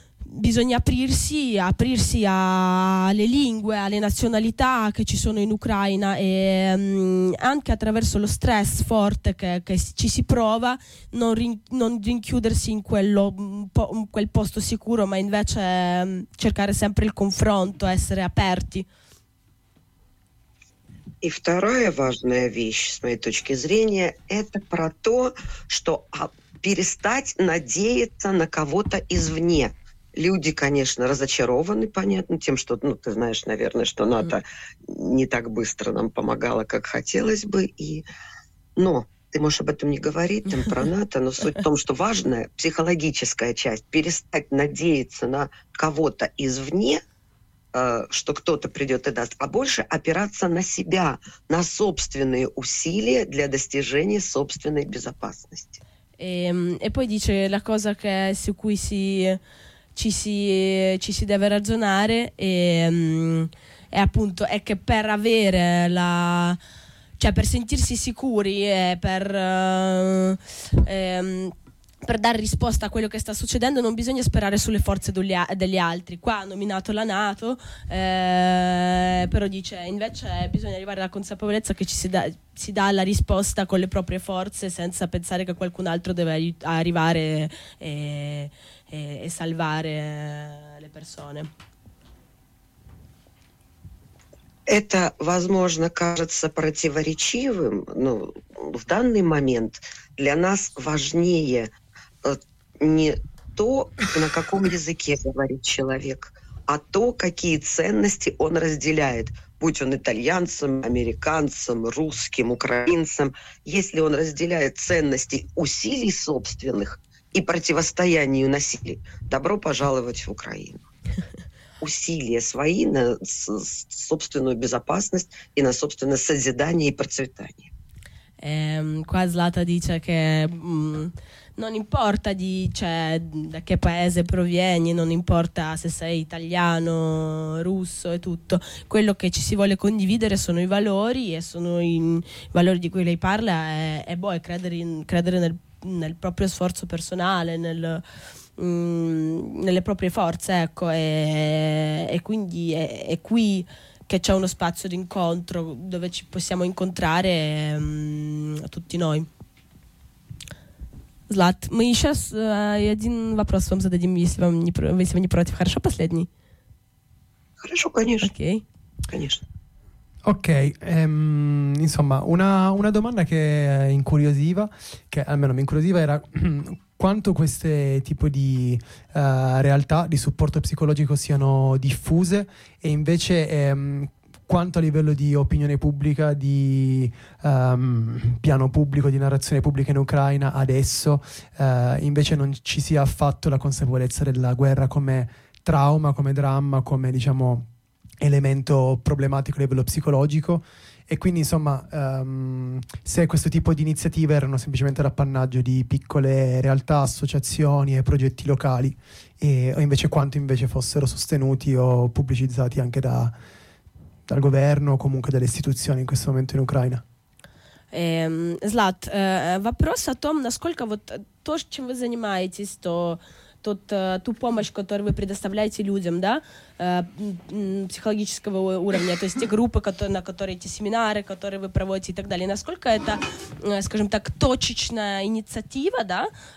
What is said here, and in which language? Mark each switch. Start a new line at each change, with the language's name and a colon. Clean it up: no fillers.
Italian: bisogna aprirsi alle lingue, alle nazionalità che ci sono in Ucraina, e anche attraverso lo stress forte che ci si prova, non rinchiudersi in quel posto sicuro, ma invece cercare sempre il confronto, essere aperti.
Russian: И вторая важная вещь, с моей точки зрения, это про то, что перестать надеяться на кого-то извне. Люди, конечно, разочарованы, понятно, тем, что, ты знаешь, наверное, что НАТО не так быстро нам помогало, как хотелось бы. Но ты можешь об этом не говорить, там, про НАТО, но суть в том, что важная психологическая часть — перестать надеяться на кого-то извне, что кто-то придет и даст, а больше опираться на себя, на собственные усилия для достижения собственной безопасности.
Italian: E poi dice la cosa che su cui ci si deve ragionare è appunto è che per avere la, cioè per sentirsi sicuri e per dare risposta a quello che sta succedendo, non bisogna sperare sulle forze degli altri. Qua ha nominato la NATO, però dice invece bisogna arrivare alla consapevolezza che si dà la risposta con le proprie forze, senza pensare che qualcun altro deve arrivare e salvare le persone.
Russian: Это, возможно, кажется противоречивым, но в данный момент для нас важнее не то, на каком языке говорит человек, а то, какие ценности он разделяет, будь он итальянцем, американцем, русским, украинцем. Если он разделяет ценности усилий собственных и противостоянию насилию, добро пожаловать в Украину. Усилия свои на собственную безопасность и на собственное созидание и процветание.
Italian: Qua Zlata dice che non importa di, cioè, da che paese provieni, non importa se sei italiano, russo e tutto, quello che ci si vuole condividere sono i valori, e sono i valori di cui lei parla, e boh, è credere nel proprio sforzo personale, nelle proprie forze, ecco, e quindi è qui che c'è uno spazio d'incontro dove ci possiamo incontrare tutti noi.
Russian: Zlat, мы сейчас один вопрос вам зададим, если вы не против. Хорошо, последний? Хорошо, конечно. Окей. Конечно. Окей.
Italian: Insomma, una domanda che incuriosiva, che almeno mi incuriosiva, era quanto queste tipo di realtà di supporto psicologico siano diffuse e invece quanto a livello di opinione pubblica, di piano pubblico, di narrazione pubblica in Ucraina adesso invece non ci sia affatto la consapevolezza della guerra come trauma, come dramma, come diciamo elemento problematico a livello psicologico. E quindi insomma, se questo tipo di iniziative erano semplicemente l'appannaggio di piccole realtà, associazioni e progetti locali, o invece quanto invece fossero sostenuti o pubblicizzati anche dal governo o comunque dalle istituzioni in questo momento in Ucraina.
Russian: Zlat, вопрос о том, насколько вот то, чем вы занимаетесь, ту помощь, которую вы предоставляете людям, да, психологического уровня, то есть те группы, на которые эти семинары, которые вы проводите и так далее, насколько это, скажем так, точечная инициатива, да,